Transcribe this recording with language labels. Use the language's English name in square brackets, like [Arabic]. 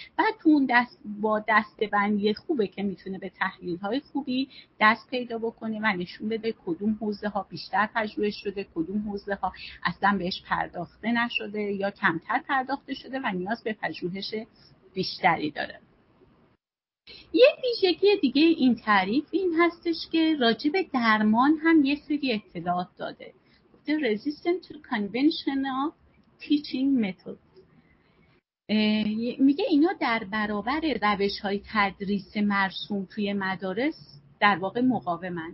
[Persian] بعد تو اون با دسته‌بندی خوبه که میتونه به تحلیل‌های خوبی دست پیدا بکنه و نشون بده کدوم حوزه‌ها بیشتر پژوهش شده، کدوم حوزه‌ها اصلا بهش پرداخته نشده یا کمتر پرداخته شده و نیاز به پژوهش بیشتری داره. یه ویژگی دیگه این تعریف این هستش که راجع به درمان هم یه سری اطلاعات داده. [English] The resistant to conventional teaching methods. [Persian] میگه اینا در برابر روش‌های تدریس مرسوم توی مدارس در واقع مقاومن.